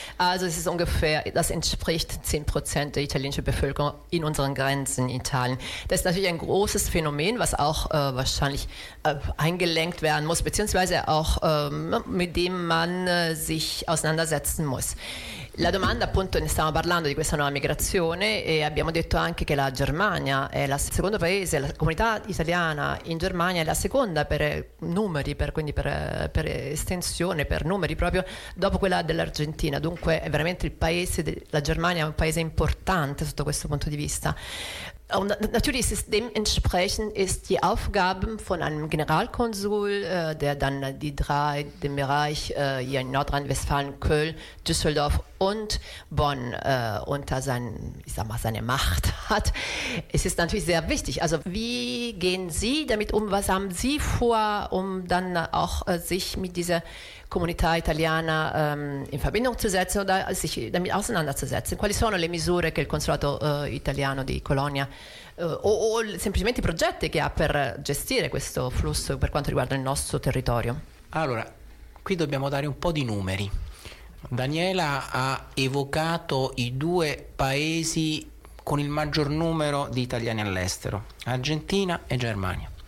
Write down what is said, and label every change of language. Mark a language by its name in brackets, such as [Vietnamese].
[German] Also es ist ungefähr, das entspricht 10% der italienischen Bevölkerung in unseren Grenzen in Italien. Das ist natürlich ein großes Phänomen, was auch wahrscheinlich eingelenkt werden muss, beziehungsweise auch mit dem man sich auseinandersetzen muss. [Italian] La domanda, appunto, ne stiamo parlando di questa nuova migrazione, e abbiamo detto anche che la Germania è la secondo paese, la comunità italiana in Germania è la seconda per numeri, per estensione, per numeri, proprio dopo quella dell'Argentina. Dunque è veramente il paese, la Germania è un paese importante sotto questo punto di vista. [German] Und natürlich ist dementsprechend ist die Aufgabe von einem Generalkonsul, der dann die drei, den Bereich hier in Nordrhein-Westfalen, Köln, Düsseldorf und Bonn unter seine Macht hat. Es ist natürlich sehr wichtig. Also wie gehen Sie damit um? Was haben Sie vor, um dann auch sich mit dieser Comunità italiana in Verbindung zu setzen oder sich damit auseinanderzusetzen? [Italian] Quali sono le misure che il Consolato Italiano di Colonia o semplicemente i progetti che ha per gestire questo flusso per quanto riguarda il nostro territorio? Allora, qui dobbiamo dare un po' di numeri. Daniela ha evocato i due paesi con il maggior numero di italiani all'estero, Argentina e Germania.